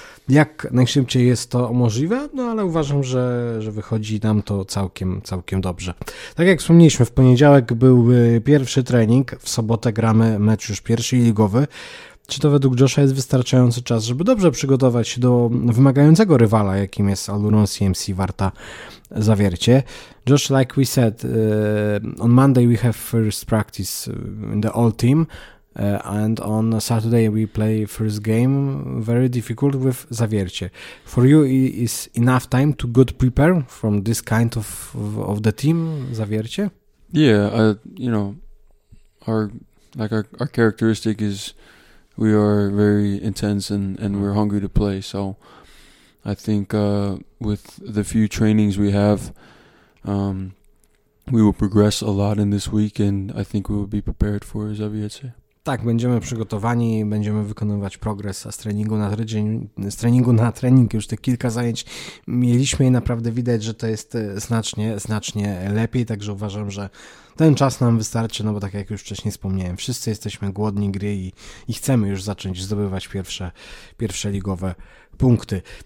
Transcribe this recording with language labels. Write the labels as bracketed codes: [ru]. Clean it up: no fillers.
[pl] Jak najszybciej jest to możliwe, no ale uważam, że wychodzi nam to całkiem, całkiem dobrze. Tak jak wspomnieliśmy, w poniedziałek był pierwszy trening, w sobotę gramy mecz już pierwszy ligowy. Czy to według Josha jest wystarczający czas, żeby dobrze przygotować się do wymagającego rywala, jakim jest Alurón CMC Warta Zawiercie? [en] Josh, like we said, on Monday we have first practice in the all team. And on Saturday we play first game, very difficult with Zawiercie. For you, is enough time to good prepare from this kind of the team, Zawiercie? Yeah, our characteristic is we are very intense and we're hungry to play. So I think with the few trainings we have, we will progress a lot in this week, and I think we will be prepared for Zawiercie. [pl] tak, będziemy przygotowani, będziemy wykonywać progres z treningu na tydzień, z treningu na trening, już te kilka zajęć mieliśmy i naprawdę widać, że to jest znacznie, znacznie lepiej, także uważam, że ten czas nam wystarczy, no bo tak jak już wcześniej wspomniałem, wszyscy jesteśmy głodni gry i chcemy już zacząć zdobywać pierwsze ligowe punkty.